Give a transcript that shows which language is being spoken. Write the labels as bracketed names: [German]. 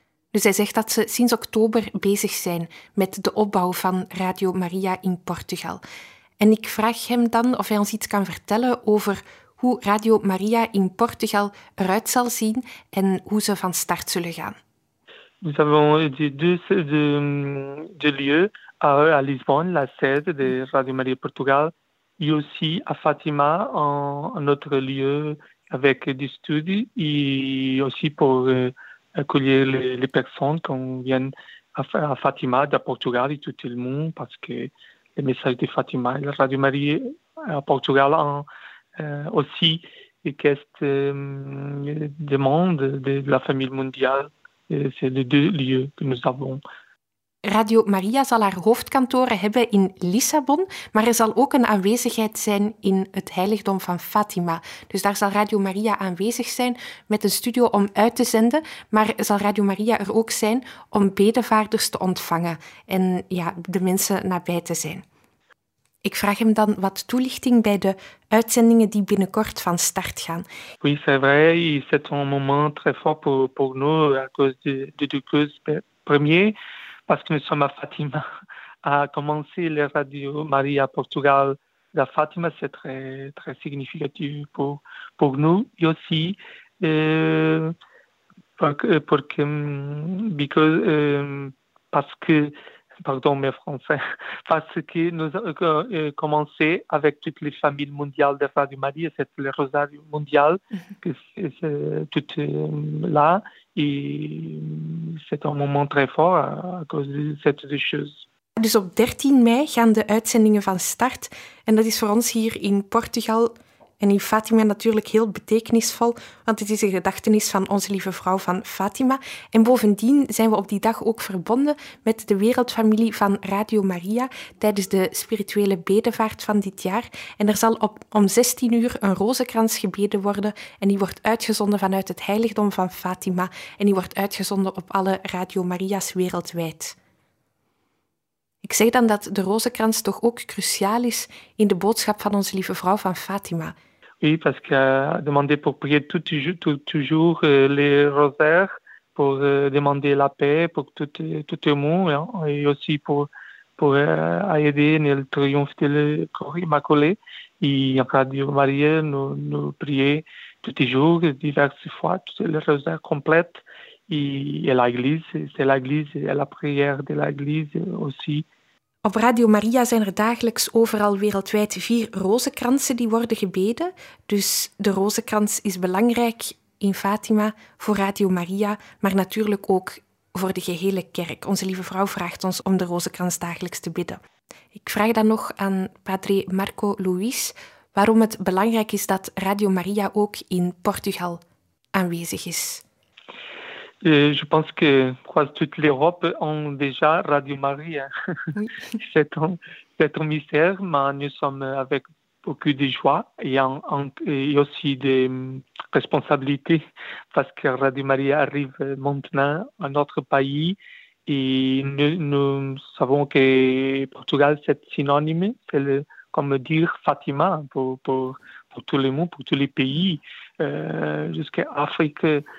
[Dutch] Dus hij zegt dat ze sinds oktober bezig zijn met de opbouw van Radio Maria in Portugal. En ik vraag hem dan of hij ons iets kan vertellen over hoe Radio Maria in Portugal eruit zal zien en hoe ze van start zullen gaan. We hebben dus de [French] lieu à Lisbonne, la sede de Radio Maria Portugal, et aussi à Fatima, un autre lieu avec des studios, et aussi pour accueillir les personnes qui viennent à Fatima, de Portugal et tout le monde, parce que le message de Fatima et la Radio Maria à Portugal ont aussi cette demande de la famille mondiale. Et c'est les deux lieux que nous avons. [Dutch] Radio Maria zal haar hoofdkantoren hebben in Lissabon, maar er zal ook een aanwezigheid zijn in het heiligdom van Fatima. Dus daar zal Radio Maria aanwezig zijn met een studio om uit te zenden, maar zal Radio Maria er ook zijn om bedevaarders te ontvangen en ja, de mensen nabij te zijn. Ik vraag hem dan wat toelichting bij de uitzendingen die binnenkort van start gaan. [French] Oui, c'est vrai, c'est un moment très fort pour nous à cause de cause premier. Parce que nous sommes à Fatima, à commencer les Radio Maria Portugal de Fatima, c'est très, très significatif pour nous. Et aussi, parce que nous avons commencé avec toutes les familles mondiales de Radio Maria, c'est le Rosario Mondial, que c'est tout là. Et c'est un moment très fort à cause de cette chose. [Dutch] Dus op 13 mei gaan de uitzendingen van start. En dat is voor ons hier in Portugal en in Fatima natuurlijk heel betekenisvol, want het is een gedachtenis van Onze Lieve Vrouw van Fatima. En bovendien zijn we op die dag ook verbonden met de wereldfamilie van Radio Maria tijdens de spirituele bedevaart van dit jaar. En er zal om 16 uur een rozenkrans gebeden worden en die wordt uitgezonden vanuit het heiligdom van Fatima en die wordt uitgezonden op alle Radio Maria's wereldwijd. Ik zeg dan dat de rozenkrans toch ook cruciaal is in de boodschap van Onze Lieve Vrouw van Fatima. [French] Oui, parce que demander pour prier toujours les rosaires, pour demander la paix pour tout le monde, et aussi pour aider dans le triomphe de le corps immaculé. Et en Radio Maria, nous prions tous les jours, diverses fois, tous les rosaires complètes. Et l'Église, c'est l'Église et la prière de l'Église aussi. [Dutch] Op Radio Maria zijn er dagelijks overal wereldwijd 4 rozenkransen die worden gebeden. Dus de rozenkrans is belangrijk in Fatima voor Radio Maria, maar natuurlijk ook voor de gehele kerk. Onze Lieve Vrouw vraagt ons om de rozenkrans dagelijks te bidden. Ik vraag dan nog aan Padre Marco Luis waarom het belangrijk is dat Radio Maria ook in Portugal aanwezig is. [French] Je pense que quasi toute l'Europe a déjà Radio Maria. Oui. c'est un mystère, mais nous sommes avec beaucoup de joie et aussi de responsabilités parce que Radio Maria arrive maintenant à notre pays et nous savons que Portugal, c'est synonyme, c'est comme dire Fatima pour tout le monde, pour tous les pays, jusqu'à l'Afrique.